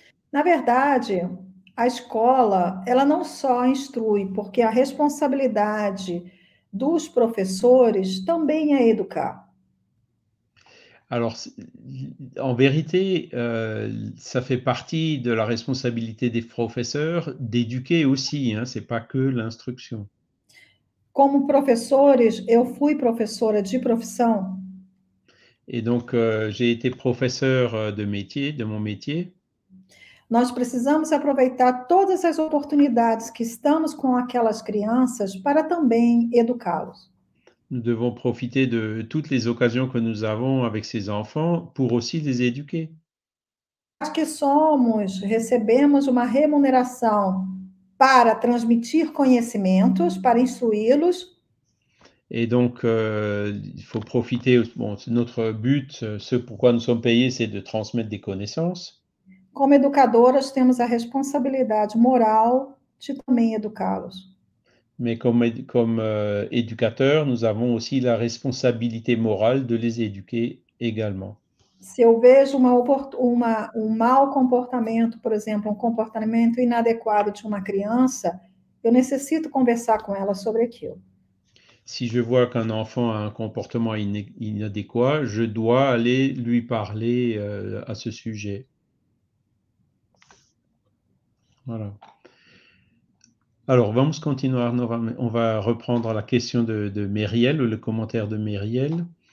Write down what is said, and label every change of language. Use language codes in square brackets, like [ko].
[pt] Na verdade, a escola, ela não só instrui, porque a responsabilidade dos professores também é educar. [fr] Alors, en vérité, ça fait partie de la responsabilité des professeurs d'éduquer aussi, hein, c'est pas que l'instruction. [pt] Como professores, eu fui professora de profissão. [fr] Et donc, j'ai été professeur de métier, de mon métier. [pt] Nós precisamos aproveitar todas as oportunidades que estamos com aquelas crianças para também educá-los. [fr] Nous devons profiter de toutes les occasions que nous avons avec ces enfants pour aussi les éduquer. [pt] Acho que somos, recebemos uma remuneração para transmitir conhecimentos, para instruí-los. [fr] Et donc, il faut profiter. [pt] Bom, [fr] notre but, ce pourquoi nous sommes payés, c'est de transmettre des connaissances. [pt] Como educadoras, temos a responsabilidade moral de também educá-los. [fr] Mais comme éducateurs, nous avons aussi la responsabilité morale de les éduquer également. [pt] Se eu vejo um mau comportamento, por exemplo, um comportamento inadequado de uma criança, eu necessito conversar com ela sobre aquilo. [fr] Si je vois qu'un enfant a un comportement inadéquat, je dois aller lui parler à ce sujet. Voilà. Alors, [pt] vamos continuar. [fr] On va reprendre la question de Myriel ou le commentaire de Myriel.